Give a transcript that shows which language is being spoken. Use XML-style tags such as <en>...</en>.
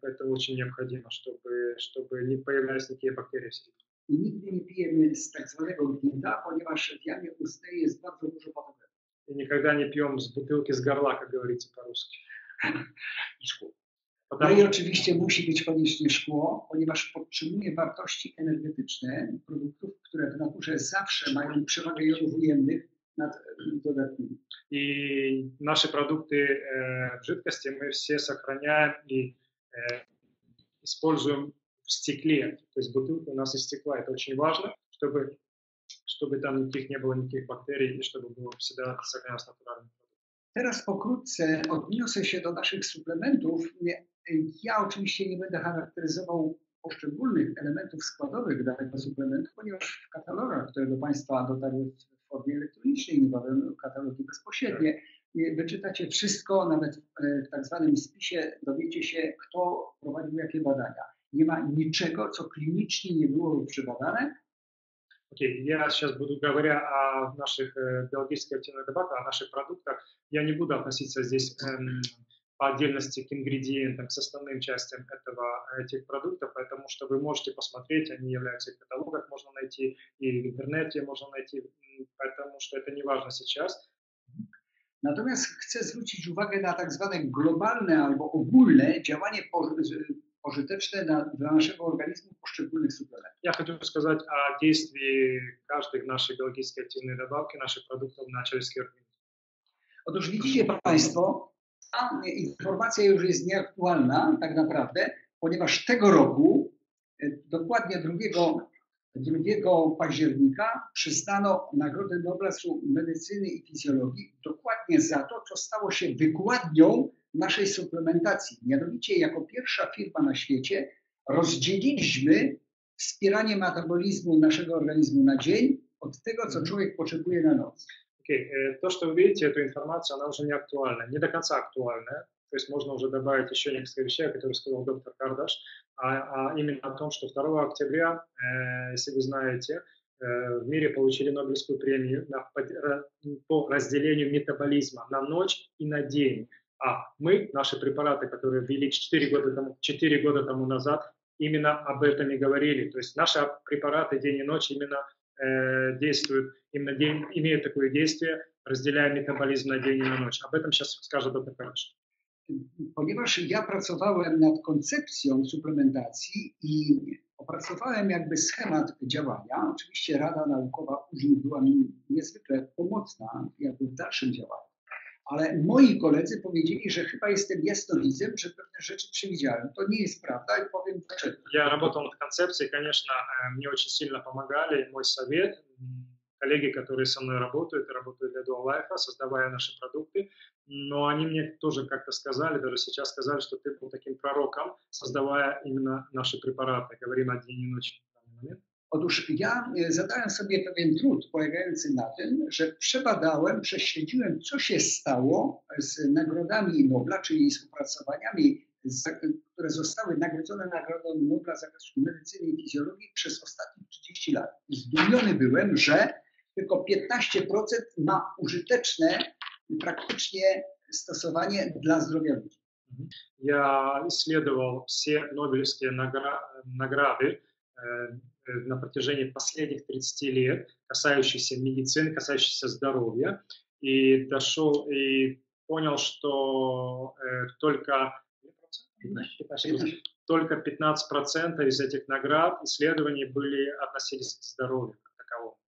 <ru>Это очень необходимо, чтобы не появлялись никакие бактерии.</ru> <pl>I nigdy nie pijemy z tak zwanego gnita, ponieważ w jamie ustnej jest bardzo dużo wody.</pl> <ru>I никогда не пьем с бутылки с горла, как говорится по-русски.</ru> <pl>No i oczywiście musi być koniecznie szkło, ponieważ podtrzymuje wartości energetyczne produktów, które w naturze zawsze mają przewagę jonów ujemnych nad dodatnimi. I nasze produkty w żydkości my wszystkie zachraniamy</pl> <ru>i используем</ru> <pl>w stekle. To jest butelka u nas jest stekla. To bardzo ważne, żeby tam nikich nie było nikich bakterii i żeby było zawsze zachowane naturalne. Teraz pokrótce odniosę się do naszych suplementów. Ja oczywiście nie będę charakteryzował poszczególnych elementów składowych danego suplementu, ponieważ w katalogach, które do Państwa dotarły w formie elektronicznej, niebawem katalogi bezpośrednie, wyczytacie wszystko, nawet w tak zwanym spisie dowiecie się, kto prowadził jakie badania. Nie ma niczego, co klinicznie nie było przebadane.</pl> <ru>Окей, okay. Я сейчас буду говоря о наших биологических активных добавках, о наших продуктах. Я не буду относиться здесь по отдельности к ингредиентам, к составным частям этого, этих продуктов, потому что вы можете посмотреть, они являются в каталогах, можно найти, и в интернете можно найти, потому что это не важно сейчас.</ru> <pl>Natomiast chcę zwrócić uwagę na tak zwane globalne albo ogólne działanie pożyteczne dla naszego organizmu poszczególnych suplementów. Ja chciałbym powiedzieć o działaniu każdej naszej biologicznej aktywnej dodatki, naszych produktów na ciężki organizm. Otóż widzicie Państwo, ta informacja już jest nieaktualna tak naprawdę, ponieważ tego roku, dokładnie 2 października przyznano Nagrodę Nobla z Medycyny i Fizjologii dokładnie za to, co stało się wykładnią naszej suplementacji. Mianowicie jako pierwsza firma na świecie rozdzieliliśmy wspieranie metabolizmu naszego organizmu na dzień od tego, co człowiek potrzebuje na noc. Okay. To, co widzicie, to informacja, ona już nieaktualna, nie do końca aktualna.</pl> <ru>То есть можно уже добавить еще несколько вещей, о которых сказал доктор Кардаш, а именно о том, что 2 октября, если вы знаете, в мире получили Нобелевскую премию по разделению метаболизма на ночь и на день. А мы, наши препараты, которые ввели 4 года тому назад, именно об этом и говорили. То есть наши препараты день и ночь именно действуют, именно день, имеют такое действие, разделяя метаболизм на день и на ночь. Об этом сейчас скажет доктор Кардаш.</ru> <pl>Ponieważ ja pracowałem nad koncepcją suplementacji i opracowałem jakby schemat działania, oczywiście Rada Naukowa później była mi niezwykle pomocna jakby w dalszym działaniu, ale moi koledzy powiedzieli, że chyba jestem jasnowidzem, że pewne rzeczy przewidziałem. To nie jest prawda i powiem dlaczego. Ja robotą nad koncepcją,</pl> <ru>конечно,</ru> <pl>mnie</pl> <ru>очень сильно помогали,</ru> <pl>mój</pl> <ru>совет. Коллеги, которые со мной работают, работают для Dual Life, создавая наши продукты, но они мне тоже как-то сказали, даже сейчас сказали, что ты был таким пророком, создавая именно наши препараты, говорим о день и ночи.</ru> <pl>Otóż ja zadałem sobie pewien trud polegający na tym, że przebadałem, prześledziłem, co się stało z nagrodami Nobla, czyli z opracowaniami, które zostały nagrodzone Nagrodą Nobla z zakresu medycyny i fizjologii przez ostatnie 30 lat. Zdumiony byłem, że tylko 15% ma użyteczne praktycznie stosowanie dla zdrowia ludzi.</pl> <ru>Ja исследовал все Нобелевские награды на протяжении последних 30 лет, касающихся медицины, касающихся здоровья, и дошел и понял, что только 15% из этих наград исследований были относились к здоровью как таковому.</ru>